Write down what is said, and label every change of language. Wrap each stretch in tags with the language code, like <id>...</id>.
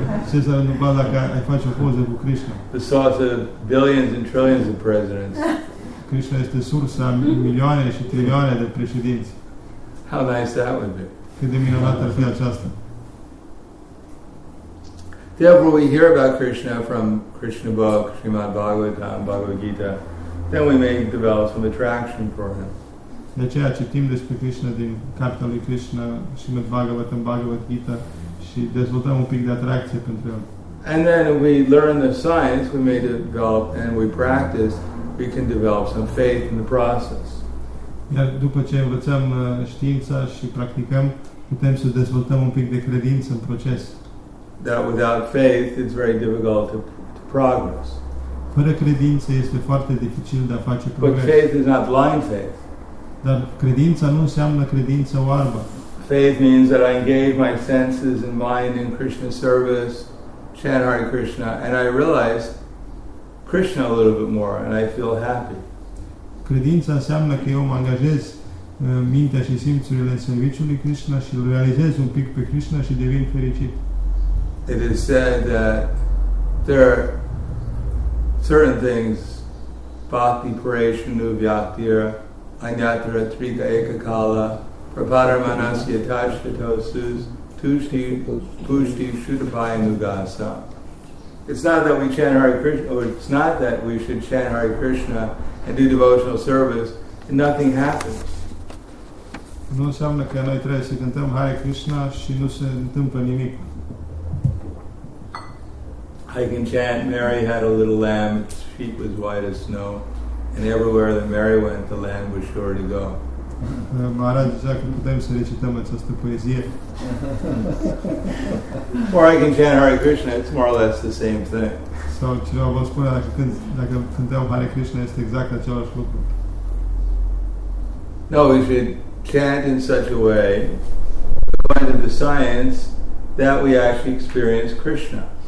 <ro>Ce s-ar întâmpla dacă ai face o poză cu Krishna?</ro> <en>The source of billions and trillions of presidents.</en> <ro>Krishna este sursa milioane și trilioane de președinți.</ro> <en>How nice that would be.</en> <ro>Cât de minunat ar fi aceasta.</ro> <en>Therefore, we hear about Krishna from Krishna book, Srimad Bhagavatam, Bhagavad Gita. Then we may develop some attraction for him.</en> <ro>De aceea citim despre Krishna din cartea lui Krishna, Srimad Bhagavatam, Bhagavad Gita, și dezvoltăm un pic de atracție pentru el.</ro> <en>And then we learn the science, we may develop, and we practice, we can develop some faith in the process.</en> <ro>Iar după ce învățăm știința și practicăm, putem să dezvoltăm un pic de credință în proces.</ro> <en>That without faith, it's very difficult to progress.</en> <ro>Fără credință este foarte dificil de a face progres.</ro> <en>But faith is not blind faith.</en> <ro>Dar credința nu înseamnă credință oarbă.</ro> <en>Faith means that I engage my senses and mind in Krishna's service, chant Hare Krishna, and I realize Krishna a little bit more, and I feel happy.</en> <ro>Credința înseamnă că eu mă angajez mintea și simțurile în serviciul lui Krishna și îl realizez un pic pe Krishna și devin fericit.</ro> <en>It is said that there are certain things,</en> <sa>bhakti parashanu vyaktira, anyatra trika ekakala, prapadarmanasya tashtatosus, tushti, pushti, shudapaya nugasa.</sa> <en>It's not that we chant Hare Krishna, or it's not that we should chant Hare Krishna and do devotional service and nothing happens.</en> <ro>Nu înseamnă că noi trebuie să cântăm Hare Krishna și nu se întâmplă nimic.</ro> <en>I can chant, Mary had a little lamb, its feet was white as snow, and everywhere that Mary went, the lamb was sure to go.</en> <ro>Maharaj, dacă putem să recităm această poezie.</ro> <en>Or I can chant Hare Krishna, it's more or less the same thing.</en> <ro>Sau cineva vă spune, dacă cântăm Hare Krishna, este exact același lucru.</ro> <en>No, we should chant in such a way, according to the science, that we actually experience Krishna.</en>